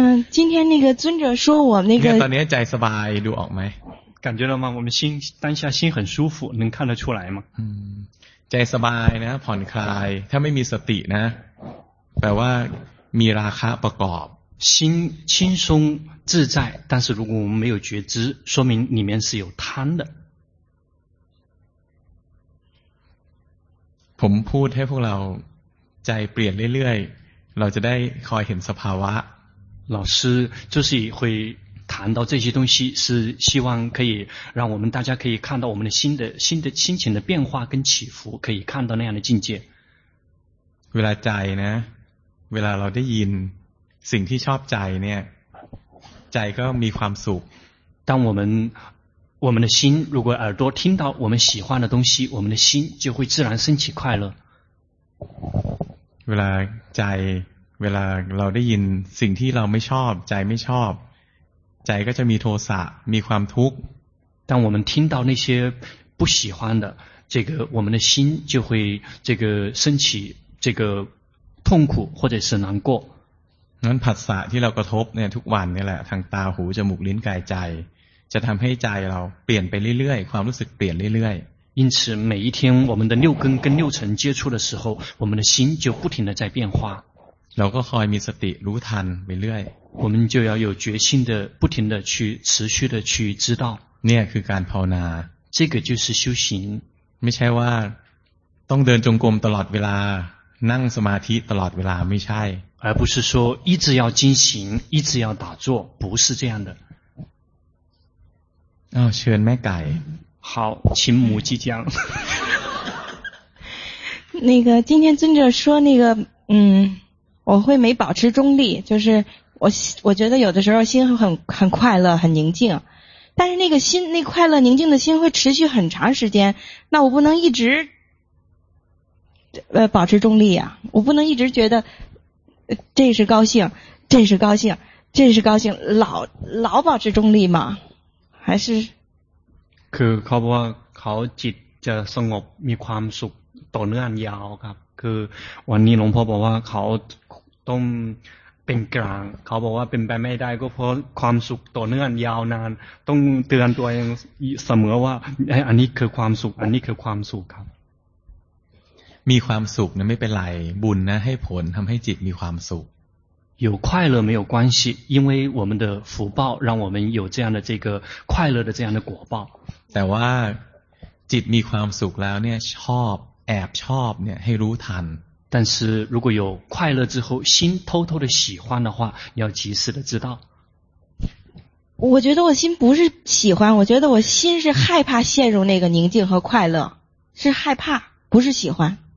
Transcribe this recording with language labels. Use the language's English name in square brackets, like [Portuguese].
[Chinese] 今天那个尊者说我那个感觉到在สบาย到吗感觉到吗我们心当下心很舒服能看得出来吗 [Thai] 在สบาย นะผ่อนคลาย ถ้าไม่มีสตินะแปลว่ามีราคะประกอบ [Chinese] 心轻松自在但是如果我们没有觉知说明里面是有贪的 [Thai] ผมพูดให้พวกเราใจเปลี่ยนเรื่อยๆเราจะได้คอยเห็นสภาวะ [Chinese] 老师就是会谈到这些东西是希望可以让我们大家可以看到我们的心的心情的变化跟起伏可以看到那样的境界 [Thai] เวลาใจนะเวลาเราได้ยินสิ่งที่ชอบใจเนี่ยใจก็มีความสุข [Chinese] 当我们的心如果耳朵听到我们喜欢的东西我们的心就会自然升起快乐 [Thai] เวลาใจเวลาเราได้ยินสิ่งที่เราไม่ชอบใจไม่ชอบใจก็จะมีโทสะมีความทุกข์ [Chinese] 当我们听到那些不喜欢的这个我们的心就会这个升起这个痛苦或者是难过 [Thai] นั้นผัสสะที่เรากระทบเนี่ยทุกวันนี่แหละทางตาหูจมูกลิ้นกายใจจะทำให้ใจเราเปลี่ยนไปเรื่อยๆความรู้สึกเปลี่ยนเรื่อย [Chinese] ๆ因此每一天我们的六根跟六尘接触的时候我们的心就不停的在变化 [Thai] เราก็คอยมีสติรู้ทันไปเรื่อย [Chinese] 我们就要有决心的不停的去持续的去知道 [Thai] เนี่ยคือการภาวนา [Chinese] 这个就是修行 [Thai] ไม่ใช่ว่าต้องเดินจงกรมตลอดเวลานั่งสมาธิตลอดเวลาไม่ใช่ [Chinese] 而不是说一直要精行一直要打坐不是这样的 [Thai] เชิญแม่ไก่ [Chinese] 好请母鸡讲那个今天尊者说那个我会没保持中立就是我觉得有的时候心很快乐很宁静但是那个心那快乐宁静的心会持续很长时间那我不能一直保持中立啊我不能一直觉得这是高兴这是高兴这是高兴老保持中立吗还是 [Thai] คือเขาบอกว่าเขาจิตจะสงบมีความสุขต่อเนื่องยาวครับคือวันนี้หลวงพ่อบอกว่าเขาต้องเป็นกลางเขาบอกว่าเป็นไปไม่ได้ก็เพราะความสุขต่อเนื่องยาวนานต้องเตือนตัวเองเสมอว่าไอ้อันนี้คือความสุขอันนี้คือความสุขครับ มีความสุขนะไม่เป็นไรบุญนะให้ผลทำให้จิตมีความสุข [Chinese] 有快乐没有关系因为我们的福报让我们有这样的这个快乐的这样的果报 [Thai] แต่ว่าจิตมีความสุขแล้วเนี่ยชอบแอบชอบเนี่ยให้รู้ทัน [Chinese] 但是如果有快乐之后心偷偷的喜欢的话要及时的知道我觉得我心不是喜欢我觉得我心是害怕陷入那个宁静和快乐是害怕不是喜欢